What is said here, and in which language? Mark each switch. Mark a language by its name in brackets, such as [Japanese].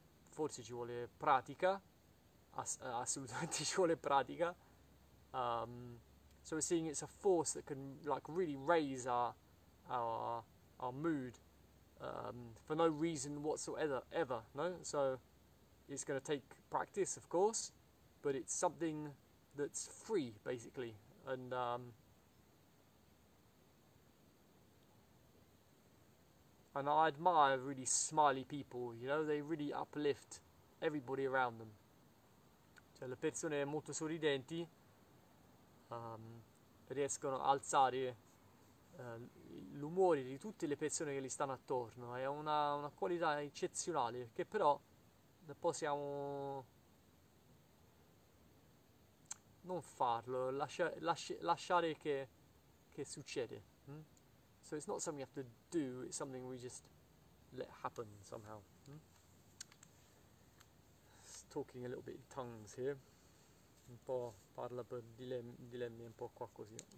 [Italian] Forse ci vuole pratica, assolutamente ci vuole pratica. [English] So we're seeing it's a force that can like really raise our mood. For no reason whatsoever, ever, no? So it's going to take practice, of course, but it's something that's free, basically. And and I admire really smiley people, you know? They really uplift everybody around them. [Italian] Cioè, le persone molto sorridenti riescono a alzare l'umore di tutte le persone che gli stanno attorno, è una qualità eccezionale che però possiamo non farlo, lasciare che succede. [English] So it's not something you have to do, it's something we just let happen somehow. Just talking a little bit in tongues here, [Italian] un po' parla per dilemmi un po' qua così.